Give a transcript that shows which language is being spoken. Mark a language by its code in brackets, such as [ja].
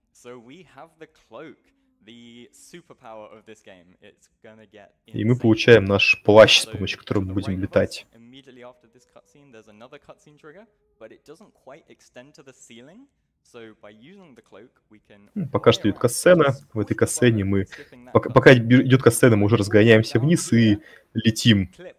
[en] So we have the cloak, the superpower of this game. It's gonna get insane. [ru] И мы получаем наш плащ, с помощью которого мы будем летать. [en] Immediately after this cutscene, there's another cutscene trigger, but it doesn't quite extend to the ceiling. So by using the cloak, we can... [ru] Пока что идет касцена. В этой касцене мы... Пока идет касцена, мы уже разгоняемся вниз и летим.